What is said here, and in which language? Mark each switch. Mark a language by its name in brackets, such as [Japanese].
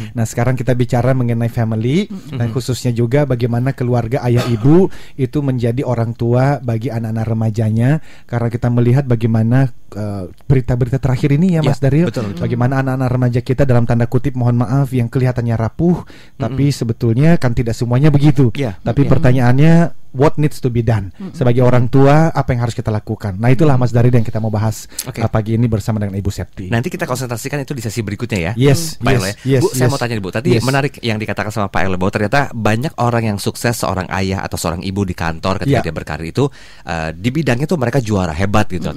[Indonesian] Nah sekarang kita bicara mengenai family, dan khususnya juga bagaimana keluarga ayah ibu itu menjadi orang tua bagi anak-anak remajanya. Karena kita melihat bagaimana berita-berita terakhir ini ya Mas Daryl, bagaimana anak-anak remaja kita dalam tanda kutip, mohon maaf, yang kelihatannya rapuh, tapi sebetulnya kan tidak semuanya begitu. Tapi pertanyaannya, [English] what needs to be done? [Indonesian] Sebagai orang tua, apa yang harus kita lakukan? Nah itulah Mas Daryl yang kita mau bahas pagi ini bersama dengan Ibu Septi. Nanti kita konsentrasikan itu di sesi berikutnya ya. [English] Yes, [Indonesian] Pak Elo. Mau tanya Ibu, tadi menarik yang dikatakan sama Pak Elo, bahwa ternyata banyak orang yang sukses, seorang ayah atau seorang ibu di kantor ketika dia berkarir itu, di bidangnya tuh mereka juara, hebat gitu.